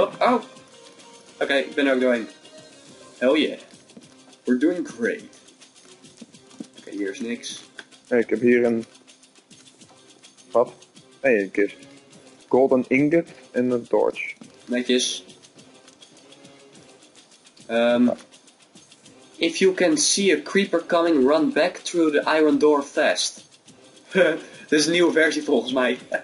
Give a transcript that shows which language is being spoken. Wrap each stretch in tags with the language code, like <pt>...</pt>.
<nl>Oh. Oké, okay, ik ben er ook doorheen.</nl> <en>Hell yeah. We're doing great.</en> <nl>Oké, okay, hier is niks. Hey, ik heb hier een... Wat? Hey, een kist.</nl> <en>Golden ingot</en> <nl>en een</nl> <en>torch.</en> <nl>Netjes.</nl> <en>If you can see a creeper coming, run back through the iron door fast.</en> <nl>Dit is een nieuwe versie volgens mij.</nl>